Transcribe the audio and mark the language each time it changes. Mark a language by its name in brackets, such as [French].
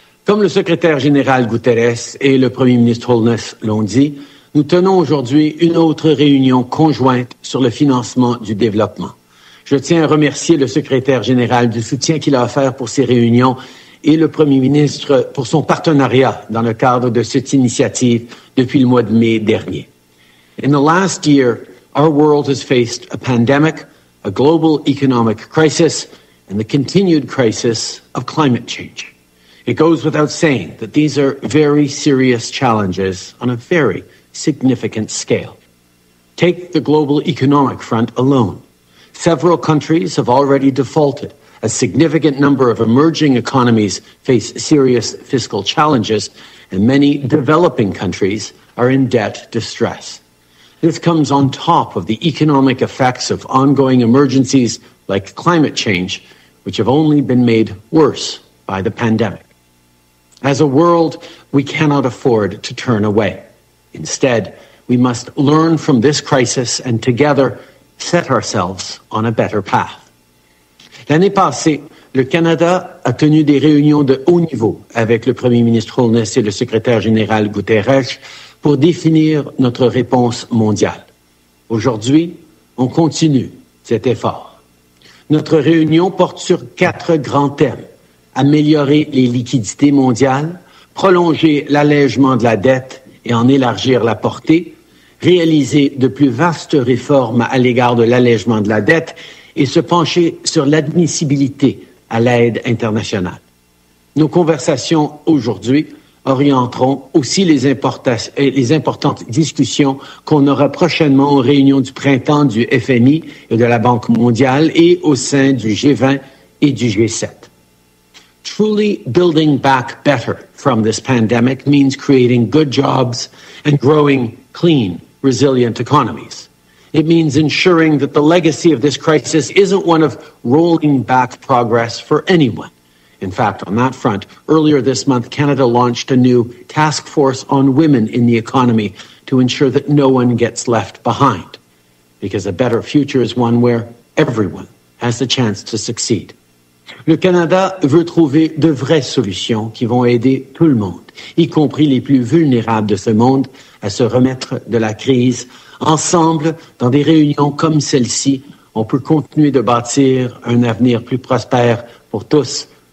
[French] Comme le secrétaire général Guterres et le premier ministre Holness l'ont dit, nous tenons aujourd'hui une autre réunion conjointe sur le financement du développement. Je tiens à remercier le secrétaire général du soutien qu'il a offert pour ces réunions et le premier ministre pour son partenariat dans le cadre de cette initiative depuis le mois de mai dernier. [English] In the last year, our world has faced a pandemic, a global economic crisis, and the continued crisis of climate change. It goes without saying that these are very serious challenges on a very significant scale. Take the global economic front alone. Several countries have already defaulted. A significant number of emerging economies face serious fiscal challenges, and many developing countries are in debt distress. This comes on top of the economic effects of ongoing emergencies like climate change, which have only been made worse by the pandemic. As a world, we cannot afford to turn away. Instead, we must learn from this crisis and together set ourselves on a better path. [French] L'année passée, le Canada a tenu des réunions de haut niveau avec le Premier ministre Holness et le secrétaire général Guterres pour définir notre réponse mondiale. Aujourd'hui, on continue cet effort. Notre réunion porte sur quatre grands thèmes. Améliorer les liquidités mondiales, prolonger l'allègement de la dette et en élargir la portée, réaliser de plus vastes réformes à l'égard de l'allègement de la dette et se pencher sur l'admissibilité à l'aide internationale. Nos conversations aujourd'hui orienteront aussi les importantes discussions qu'on aura prochainement aux réunions du printemps du FMI et de la Banque mondiale et au sein du G20 et du G7. [English] Truly building back better from this pandemic means creating good jobs and growing clean, resilient economies. It means ensuring that the legacy of this crisis isn't one of rolling back progress for anyone. In fact, on that front, earlier this month, Canada launched a new task force on women in the economy to ensure that no one gets left behind. Because a better future is one where everyone has the chance to succeed. [French] Le Canada veut trouver de vraies solutions qui vont aider tout le monde, y compris les plus vulnérables de ce monde, à se remettre de la crise. Ensemble, dans des réunions comme celle-ci, on peut continuer de bâtir un avenir plus prospère pour tous.